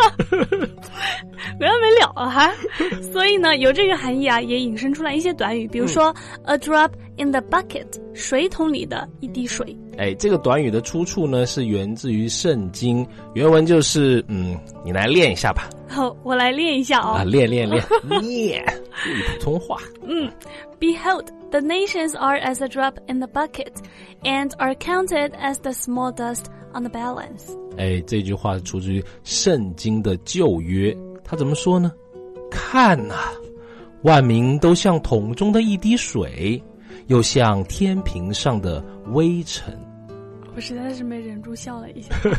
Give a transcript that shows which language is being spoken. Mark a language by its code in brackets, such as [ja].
[zh] 没完没了啊。所以呢有这个含义啊，也引申出来一些短语，比如说、 [en] a drop in the bucket， [zh] 水桶里的一滴水。哎，这个短语的出处呢是源自于圣经，原文就是你来练一下吧。好，我来练一下哦。啊，练练练，练普通话。 [en] Behold, the nations are as a drop in the bucket, and are counted as the small dust on the balance. [zh] 哎，这句话出自于圣经的旧约，他怎么说呢？看啊，万民都像桶中的一滴水，又像天平上的微尘。我实在是没忍住笑了一下。